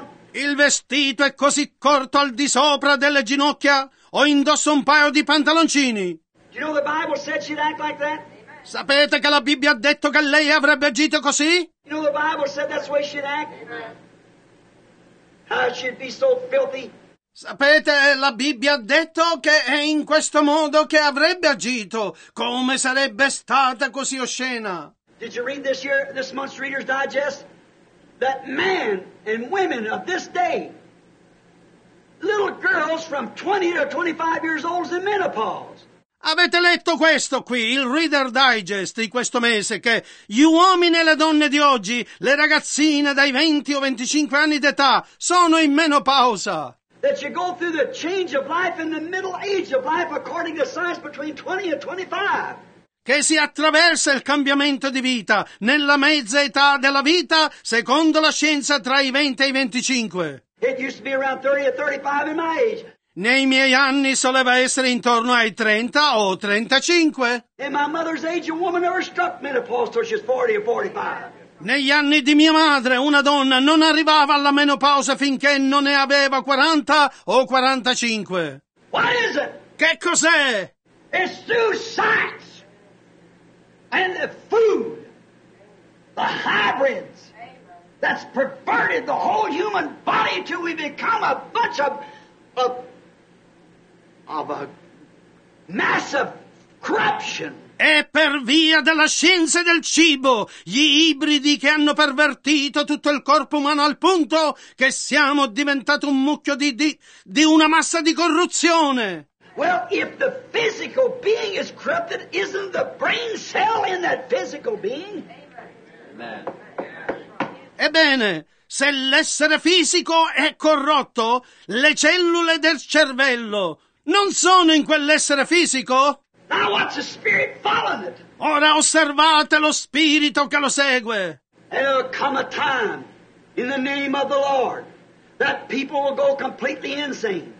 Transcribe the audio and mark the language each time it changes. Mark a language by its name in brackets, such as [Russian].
[Italian] Il vestito è così corto al di sopra delle ginocchia, o indosso un paio di pantaloncini. [English] You know the Bible said she'd act like that? [Italian] Sapete che la Bibbia ha detto che lei avrebbe agito così? [English] You know the Bible said that's the way she'd act? How she'd be so filthy? [Italian] Sapete, la Bibbia ha detto che è in questo modo che avrebbe agito. Come sarebbe stata così oscena? [English] Did you read this month's Reader's Digest? That men and women of this day, little girls from 20 to 25 years old, is in menopause. [Italian] Avete letto questo qui, il Reader Digest di questo mese, che gli uomini e le donne di oggi, le ragazzine dai 20 o 25 anni d'età, sono in menopausa. [English] That you go through the change of life in the middle age of life according to science between 20 and 25. [Italian] Che si attraversa il cambiamento di vita nella mezza età della vita secondo la scienza tra i 20 e i 25. [English] It used to be around 30 or 35 in my age. [Italian] Nei miei anni soleva essere intorno ai 30 o 35. [English] In my mother's age, a woman never struck menopause till she's 40 or 45. [Italian] Negli anni di mia madre, una donna non arrivava alla menopausa finché non ne aveva 40 o 45. [English] What is it? [Italian] Che cos'è? [English] It's through sight. And the food, the hybrids, that's perverted the whole human body till we become a bunch of a massive corruption. [Italian] E per via della scienza e del cibo, gli ibridi che hanno pervertito tutto il corpo umano al punto che siamo diventati un mucchio di una massa di corruzione. [English] Well, if the physical being is corrupted, isn't the brain cell in that physical being? Amen. [Italian] Ebbene, se l'essere fisico è corrotto, le cellule del cervello non sono in quell'essere fisico? [English] Now watch the spirit following it. [Italian] Ora osservate lo spirito che lo segue. [English] There'll come a time in the name of the Lord that people will go completely insane.